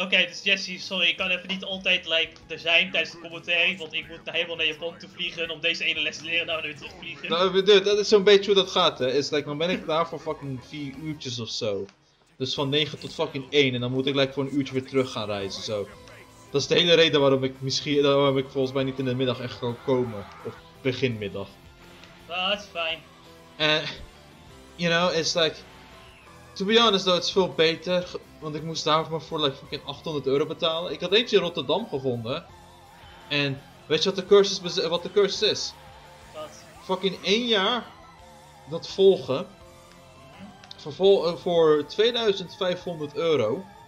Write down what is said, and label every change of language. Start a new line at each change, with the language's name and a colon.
Dutch: Oké, dus Jesse, sorry, ik kan even niet altijd er zijn tijdens de commentary, want ik moet helemaal naar Japan toe vliegen om deze ene les te leren naar weer terug vliegen. Nou, dat is zo'n beetje hoe dat gaat, hè. Is dan ben ik daar voor fucking 4 uurtjes of zo. Dus van 9 tot fucking 1 en dan moet ik voor een uurtje weer terug gaan reizen, zo. Dat is de hele reden waarom ik volgens mij niet in de middag echt kan komen. Of beginmiddag.
English: Well, that's fine.
Dutch: En,
English: you know, it's to be honest though,
Dutch: it's veel beter. Want ik moest daar maar voor fucking 800 euro betalen. Ik had eentje in Rotterdam gevonden. En weet je wat de cursus is? Wat? Fucking 1 jaar dat volgen. Voor 2500 euro.